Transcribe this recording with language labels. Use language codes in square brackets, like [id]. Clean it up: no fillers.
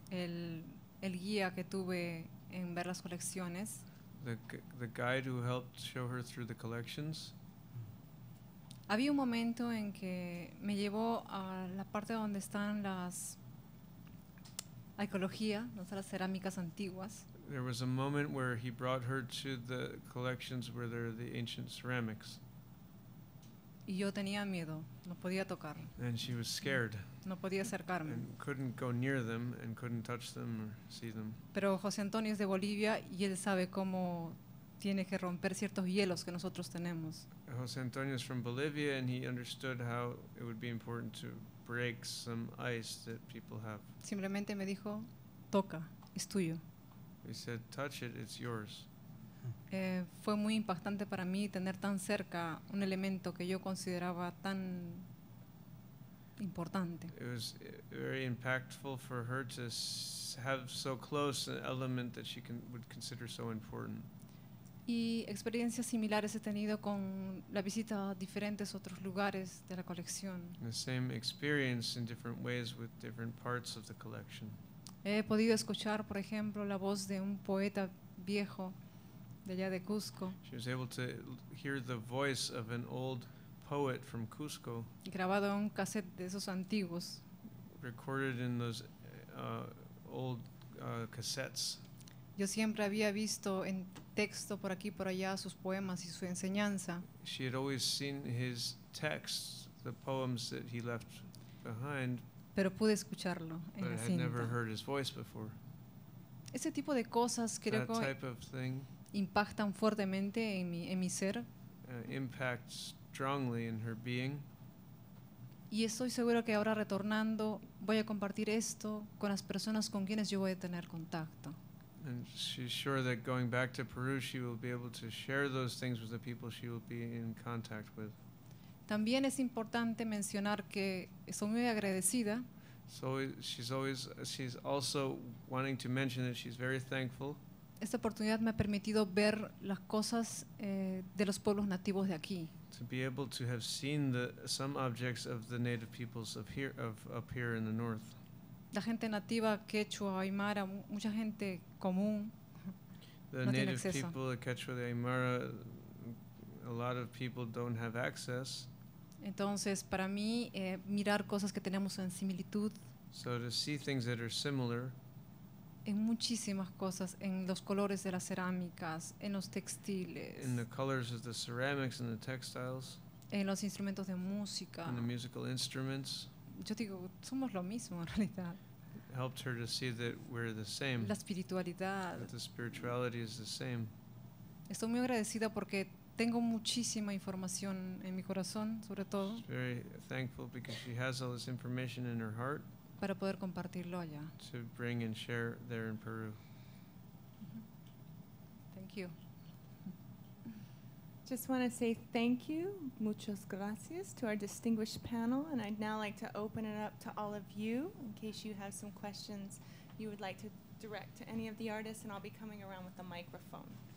[es] El guía que tuve en ver las colecciones. [en] The guide who helped show her through the collections. [es] Había un momento en que me llevó a la parte donde están las arqueología, donde están las cerámicas antiguas. [en] There was a moment where he brought her to the collections where there are the ancient ceramics. [es] Y yo tenía miedo, no podía tocar. [en] And she was scared. [es] No podía acercarme. [en] And couldn't go near them and couldn't touch them or see them. [es] Pero José Antonio es de Bolivia y él sabe cómo tiene que romper ciertos hielos que nosotros tenemos. [en] José Antonio is from Bolivia and he understood how it would be important to break some ice that people have. [es] Simplemente me dijo, toca, es tuyo. [en] He said, touch it, it's yours. [es] Fue muy impactante para mí tener tan cerca un elemento que yo consideraba tan importante. [en] It was very impactful for her to have so close an element that she would consider so important. [es] Y experiencias similares he tenido con la visita a diferentes otros lugares de la colección. [en] The same experience in different ways with different parts of the collection. [es] He podido escuchar, por ejemplo, la voz de un poeta viejo. [en] She was able to hear the voice of an old poet from Cusco. [es] Grabado en un cassette de esos antiguos. [en] Recorded in those old cassettes. [es] Yo siempre había visto en texto por aquí por allá sus poemas y su enseñanza. [en] She had always seen his texts, the poems that he left behind. [es] Pero pude escucharlo en la cinta. [en] But I had never heard his voice before. [es] Ese tipo de cosas creo que impactan fuertemente en mi ser. [en] Impacts strongly in her being. [es] Y estoy seguro que ahora retornando voy a compartir esto con las personas con quienes yo voy a tener contacto. [en] And she's sure that going back to Peru, she will be able to share those things with the people she will be in contact with. [es] También es importante mencionar que estoy muy agradecida. [en] So she's also wanting to mention that she's very thankful. [es] Esta oportunidad me ha permitido ver las cosas de los pueblos nativos de aquí. [en] To be able to have seen some objects of the native peoples up here in the north. [es] La gente nativa, Quechua, Aymara, mucha gente común, [en] the [es] no [en] native [es] tiene [en] people, the Quechua, the Aymara, a lot of people don't have access. [es] Entonces, para mí, mirar cosas que tenemos en similitud. [en] So to see things that are similar. [es] En muchísimas cosas, en los colores de las cerámicas, en los textiles. [en] In the colors of the ceramics and the textiles. [es] En los instrumentos de música. [en] In the musical instruments. [es] Yo digo, somos lo mismo en realidad. [en] Helped her to see that we're the same. [es] La espiritualidad. [en] That the spirituality is the same. [es] Estoy muy agradecida porque tengo muchísima información en mi corazón, sobre todo. [en] She's very thankful because she has all this information in her heart. [es] Para poder compartirlo allá. [en] To bring and share there in Peru. Thank you. Just want to say thank you, [es] muchas gracias, [en] to our distinguished panel, and I'd now like to open it up to all of you in case you have some questions you would like to direct to any of the artists, and I'll be coming around with the microphone.